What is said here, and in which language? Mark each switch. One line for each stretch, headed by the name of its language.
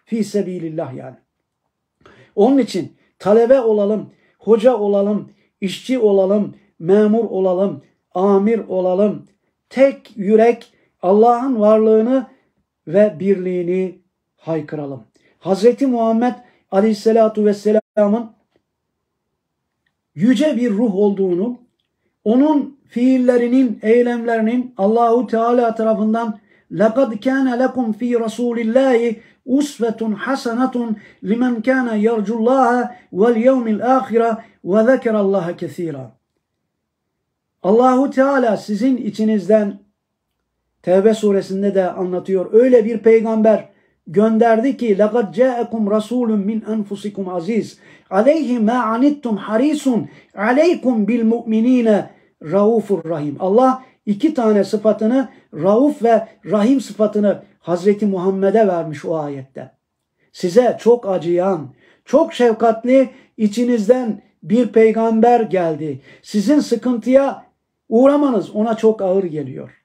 Turkish: Fi sebilillah yani. Onun için talebe olalım, hoca olalım, işçi olalım, memur olalım, amir olalım. Tek yürek Allah'ın varlığını ve birliğini haykıralım. Hazreti Muhammed Aleyhisselatü Vesselam'ın yüce bir ruh olduğunu, onun fiillerinin, eylemlerinin Allahu Teala tarafından
Arabic: لَقَدْ كَانَ لَكُمْ ف۪ي رَسُولِ اللّٰهِ اُسْفَةٌ حَسَنَةٌ لِمَنْ كَانَ يَرْجُ اللّٰهَ وَالْيَوْمِ الْآخِرَةِ وَذَكَرَ اللّٰهَ كَث۪يرًا.
Turkish: Allahu Teala sizin içinizden, Tevbe suresinde de anlatıyor, öyle bir peygamber gönderdi ki
Arabic: لَقَدْ جَاءَكُمْ رَسُولٌ مِنْ أَنْفُسِكُمْ عَز۪يزٌ عَلَيْهِ مَا عَنِتُّمْ حَر۪يسٌ عَلَيْكُمْ بِالْمُؤْمِن۪ينَ رَوْفُ الرَّحِيمِ.
Turkish: Allah iki tane sıfatını, Rauf ve Rahim sıfatını Hazreti Muhammed'e vermiş o ayette. Size çok acıyan, çok şefkatli içinizden bir peygamber geldi. Sizin sıkıntıya uğramanız ona çok ağır geliyor.